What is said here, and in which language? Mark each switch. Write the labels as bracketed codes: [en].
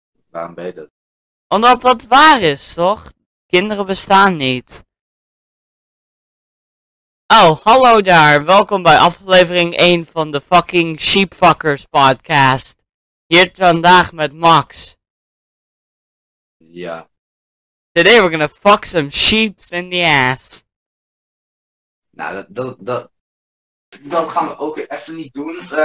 [nl] Waarom ben je dat? Omdat dat waar is, toch? Kinderen bestaan niet. Oh, hallo daar. Welkom bij aflevering 1 van de fucking SheepFackers podcast. Hier vandaag met Max. Ja. [en] Today we're gonna fuck some sheeps in the ass. [nl] Nou, dat gaan we ook even niet doen.